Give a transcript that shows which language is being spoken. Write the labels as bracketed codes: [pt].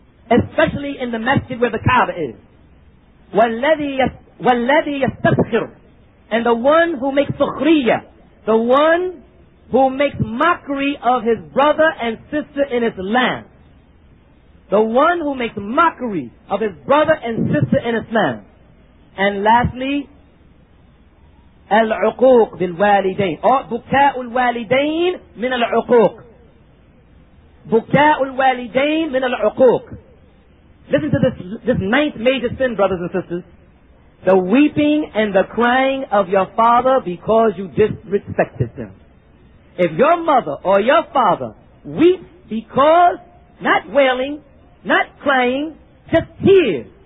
[en] especially in the masjid where the Kaaba is. [ar] وَالَّذِي يَسْتَسْخِرُ [en] And the one who makes sukhriya, the one who makes mockery of his brother and sister in Islam. The one who makes mockery of his brother and sister in Islam. And lastly, [ar] العقوق بالوالدين. Oh, بكاء الوالدين من العقوق. بكاء الوالدين من العقوق. [en] Listen to this ninth major sin, brothers and sisters. The weeping and the crying of your father because you disrespected them. If your mother or your father weeps because, not wailing, not crying, just tears.